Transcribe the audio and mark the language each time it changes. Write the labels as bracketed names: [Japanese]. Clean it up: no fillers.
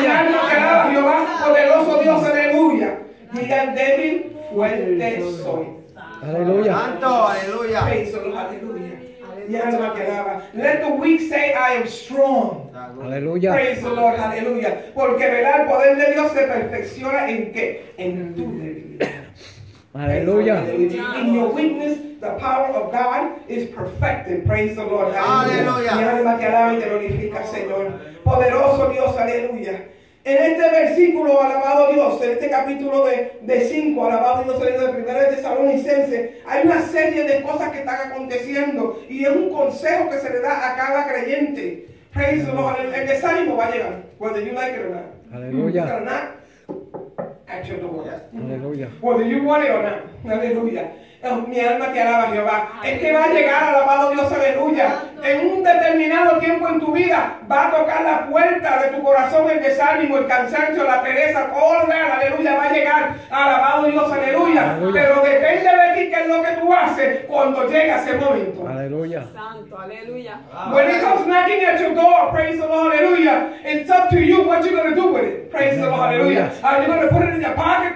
[Spanish] Mi alma te alaba, Jehová, poderoso Dios, aleluya. Diga el débil, fuerte soy. Aleluya. Santo, aleluya. [English] Aleluya. [Spanish] Mi alma que alaba. [English] Let the weak say, I am strong. [Spanish] Aleluya. [English] Praise the Lord, aleluya. [Spanish] Porque, ¿verdad?, el poder de Dios se perfecciona en qué? En tu debilidad. Aleluya. [English] In your weakness, the power of God is perfected. Praise the Lord. [Spanish] Aleluya. Mi alma que alaba y te glorifica, Señor. Poderoso Dios, aleluya. En este versículo, alabado Dios, en este capítulo de 5, alabado Dios, saliendo de primera de Tesalonicense, hay una serie de cosas que están aconteciendo y es un consejo que se le da a cada creyente. [English] Praise the Lord. And [Spanish] el desánimo va a llegar, [English] whether you like it or not. [Spanish] Aleluya. [English] At your door. [Spanish] Aleluya. [English] Whether you want it or not. Aleluya. [Spanish] Mi alma te alaba, Jehová. Es que va a llegar, alabado Dios, aleluya. En un determinado tiempo en tu vida, va a tocar la puerta de tu corazón el desánimo, el cansancio, la pereza. Corre, aleluya, va a llegar, alabado Dios, aleluya. Pero depende de ti qué es lo que tú haces cuando llega ese momento. Aleluya. Santo, aleluya. [English] When it comes knocking at your door, praise the Lord, aleluya. It's up to you what you're going to do with it. Praise the Lord, aleluya. Are you going to put it in your pocket?